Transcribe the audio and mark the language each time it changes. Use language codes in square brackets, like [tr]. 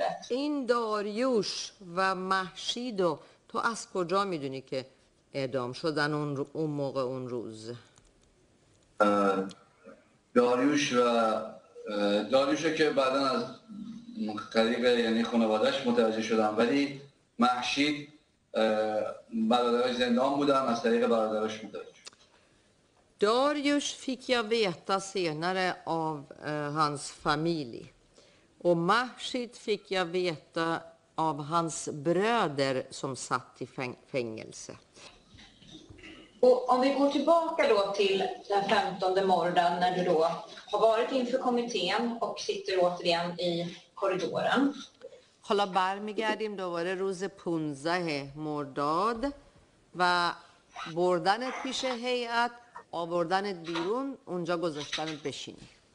[fa] این داریوش و محشید رو تو از کجا میدونی که اعدام شدن اون موقع اون روز؟ داریوش و داریوش که بعدا از طریق یعنی خانوادهش متوجه شدن، ولی محشید برادرش زندان بودن، از طریق برادرش متوجه. [sv] داریوش fick jag veta senare av hans familj. Och Mahshid fick jag veta av hans bröder som satt i fängelse. Och om vi går tillbaka då till den 15 morgonen när du då har varit inför kommittén och sitter återigen i korridoren. [fa] Hala barmigärdim [sv] då var det [fa] rose punzahe mordad. و بردنت پیش هیئت، آوردنت بیرون، اونجا گذاشتنت بشینی.